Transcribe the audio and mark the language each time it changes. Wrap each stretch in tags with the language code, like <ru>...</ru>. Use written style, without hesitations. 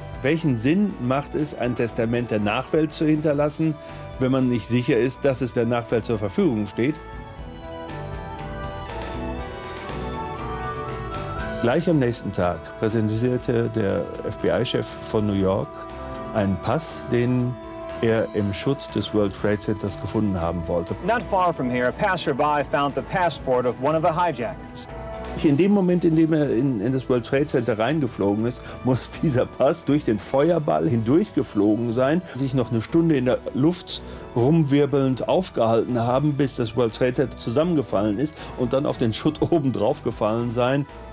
<de>Welchen Sinn macht es, ein Testament der Nachwelt zu hinterlassen, wenn man nicht sicher ist, dass es der Nachwelt zur Verfügung steht? Gleich am nächsten Tag präsentierte der FBI-Chef von New York einen Pass, den er im Schutz des World Trade Centers gefunden haben wollte.</de> <en>Not far from here, a passerby found the passport of one of the hijackers.</en> <de>In dem Moment, in dem er in das World Trade Center reingeflogen ist, muss dieser Pass durch den Feuerball hindurchgeflogen sein, sich noch eine Stunde in der Luft rumwirbelnd aufgehalten haben, bis das World Trade Center zusammengefallen ist und dann auf den Schutt oben drauf gefallen sein.</de>